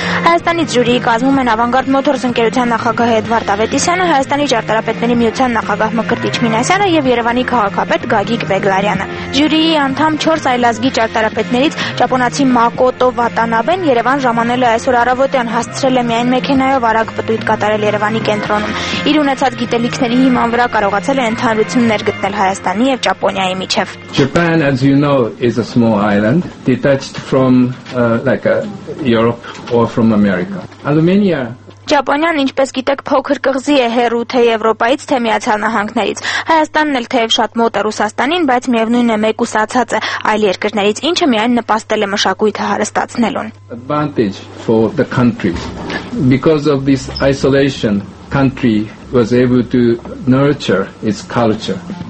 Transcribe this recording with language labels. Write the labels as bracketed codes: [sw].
[hy] Հայաստանից ժյուրիի կազմում են Ավանգարդ Մոթորս ընկերության նախագահ Էդվարդ Ավետիսյանը, Հայաստանի ճարտարապետների միության նախագահ Մկրտիչ Մինասյանը եւ Երևանի քաղաքապետ Գագիկ Բեգլարյանը։ Ժյուրիի անդամ 4 այլազգի ճարտարապետներից ճապոնացի Մակոտո Վատանաբեն Երևան ժամանել է այսօր առավոտյան, հասցրել է միայն մեքենայով արագ պտույտ կատարել Երևանի կենտրոնում։ Իր ունեցած գիտելիքների հիման վրա կարողացել է ընդհանրություններ գտնել Հայաստանի եւ Ճապոնիայի միջեւ։ [en] Japan, as you know, is a small island detached from Europe or from America. Armenia [hy] Ճապոնիան, ինչպես գիտեք, փոքր կղզի է հեռու թե Եվրոպայից, թե Միացյալ Նահանգներից։ Հայաստանն էլ թեև շատ մոտ է Ռուսաստանին, բայց միևնույն է մեկուսացած է այլ երկրներից, ինչը միայն նպաստել է մշակույթը հարստացնելուն։ [en] Advantage for the country. Because of this isolation, country was able to nurture its culture.